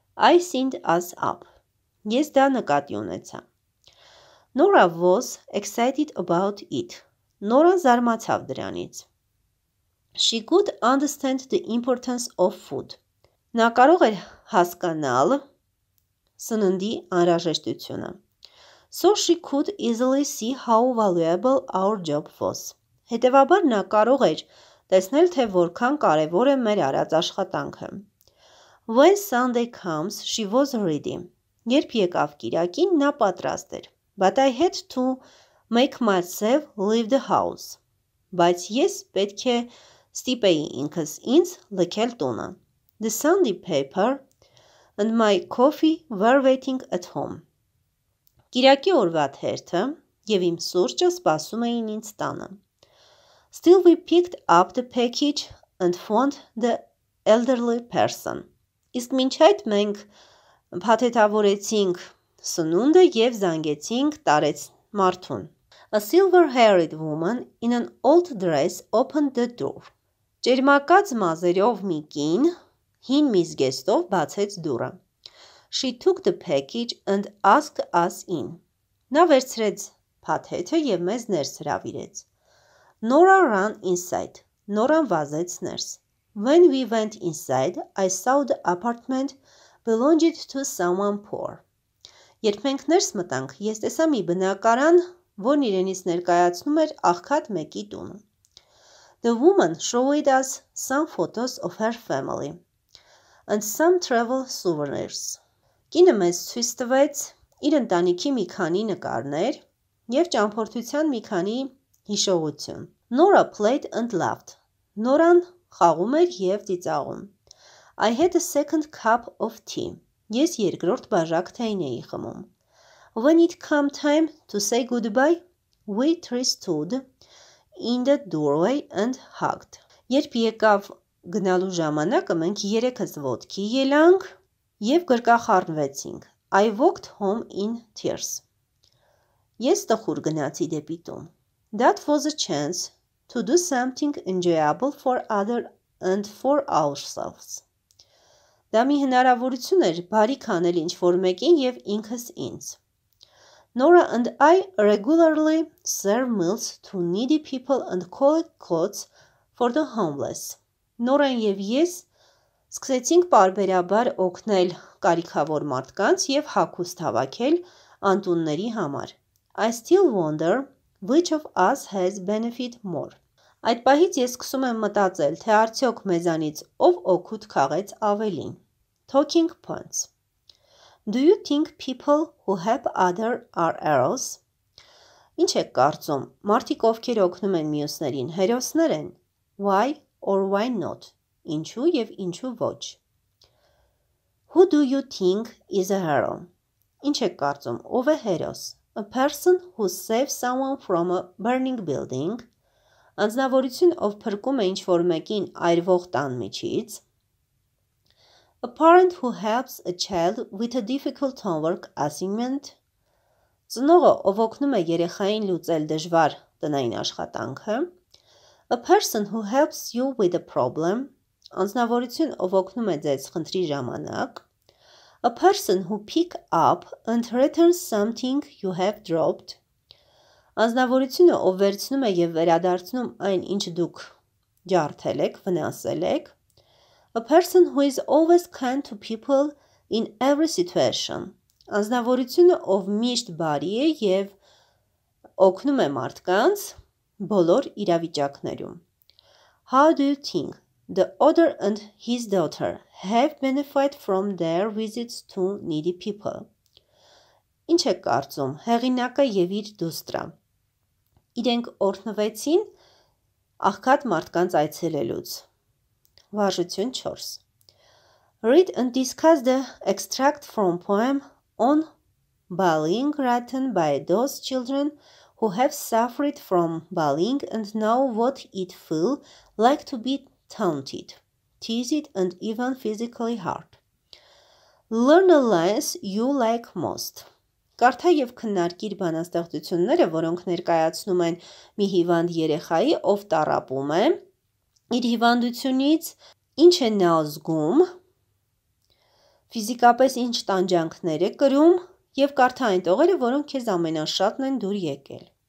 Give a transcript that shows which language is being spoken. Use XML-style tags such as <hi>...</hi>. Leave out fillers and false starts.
<en>I signed us up.</en> <hy>Ես դա նկատի ունեցա.</hy> <en>Nora was excited about it.</en> <hy>Նորան զարմացավ դրանից.</hy> <en>She could understand the importance of food.</en> <hy>Նա կարող էր հասկանալ սննդի անհրաժեշտությունը.</hy> <en>So she could easily see how valuable our job was.</en> <hy>Հետևաբար նա կարող էր տեսնել, թե որքան կարևոր է մեր արած աշխատանքը.</hy> <en>When Sunday comes, she was ready.</en> <hy>Երբ եկավ կիրակին, նա պատրաստ էր.</hy> <en>But I had to make myself leave the house.</en> <hy>Բայց ես պետք է ստիպեի ինքս ինձ լքել տունը.</hy> <en>The Sunday paper and my coffee were waiting at home.</en> <hy>Կիրակի օրվա թերթը և իմ սուրճը սպասում էին ինձ տանը.</hy> <en>Still we picked up the package and found the elderly person.</en> <hy>Իսկ մինչ այդ մենք փաթեթավորեցինք սնունդը և զանգեցինք տարեց մարդուն.</hy> <en>A silver-haired woman in an old dress opened the door.</en> <hy>Ճերմակած մազերով մի կին հին մի զգեստով բացեց դուրը.</hy> <en>She took the package and asked us in.</en> <hy>Նա վերցրեց փաթեթը և մեզ ներս հրավիրեց.</hy> <en>Nora ran inside.</en> <hy>Նորան վազեց ներս.</hy> <en>When we went inside, I saw the apartment belonged to someone poor.</en> <hy>Երբ մենք ներս մտանք, ես տեսա մի բնակարան, որն իրենից ներկայացնում էր աղքատ մեկի տունը.</hy> <en>The woman showed us some photos of her family and some travel souvenirs.</en> <hy>Կինը մեզ ցույց տվեց իր ընտանիքի մի քանի նկարներ և ճամփորդության մի քանի հիշողություն.</hy> <en>Nora played and laughed.</en> <hy>Նորան խաղում էր և ծիծաղում.</hy> <en>I had a second cup of tea.</en> <hy>Ես երկրորդ բաժակ թեյն էի խմում.</hy> <en>When it came time to say goodbye, we three stood in the doorway and hugged.</en> <hy>Երբ եկավ գնալու ժամանակը, մենք երեքս ոտքի ելանք և գրկախառնվեցինք.</hy> <en>I walked home in tears.</en> <hy>Ես տխուր գնացի դեպի տուն.</hy> <en>That was a chance to do something enjoyable for others and for ourselves.</en> <hy>Դա մի հնարավորություն էր բարի քանել ինչ-որ մեկին և ինքս ինձ.</hy> <en>Nora and I regularly serve meals to needy people and collect clothes for the homeless.</en> <hy>Նորան և ես սկսեցինք պարբերաբար օգնել կարիքավոր մարդկանց և հագուստ հավաքել անտունների համար.</hy> <en>I still wonder which of us has benefit more.</en> <hy>Այդ պահից ես սկսում եմ մտածել, թե արդյոք մեզանից ով օգուտ քաղեց ավելին.</hy> <en>Talking points. Do you think people who help others are heroes?</en> <hy>Ինչ եք կարծում, մարդիկ, ովքեր օգնում են մյուսներին, հերոսներ են?</hy> <en>Why or why not?</en> <hy>Ինչու և ինչու ոչ?</hy> <en>Who do you think is a hero?</en> <hy>Ինչ եք կարծում, ով է հերոս?</hy> <en>A person who saves someone from a burning building.</en> <hy>Անձնավորություն, ով փրկում է ինչ-որ մեկին այրվող տան միջից.</hy> <en>A parent who helps a child with a difficult homework assignment.</en> <hy>Ծնողը, ով օգնում է երեխային լուծել դժվար տնային աշխատանքը.</hy> <en>A person who helps you with a problem.</en> <hy>Անձնավորություն, ով օգնում է ձեզ խնդրի ժամանակ.</hy> <en>A person who picks up and returns something you have dropped.</en> <hy>Անձնավորությունը, ով վերցնում է եւ վերադարձնում այն, ինչ դուք ջարդել եք, վնասել եք.</hy> <en>A person who is always kind to people in every situation.</en> <hy>Անձնավորությունը, ով միշտ բարի է եւ օգնում է մարդկանց բոլոր իրավիճակներում.</hy> <en>How do you think the author and his daughter have benefited from their visits to needy people?</en> <hy>Ինչ եք կարծում, հեղինակը եւ իր դուստրը իրենք օրհնվեցին աղքատ մարդկանց այցելելուց. Վարժություն 4.</hy> <en>Read and discuss the extract from poem on bullying written by those children who have suffered from bullying and know what it feels like to be taunted, teased and even physically hurt. Learn the lines you like most.</en> <hy>Կարդա եւ քննարկիր բանաստեղծությունները, որոնք ներկայացնում են մի հիվանդ երեխայի, ով տարապում է իր հիվանդությունից, ինչ է նա զգում, ֆիզիկապես ինչ տանջանքներ է կրում եւ կարդա այն տողերը, որոնք քեզ ամենաշատն են դուր եկել.</hy>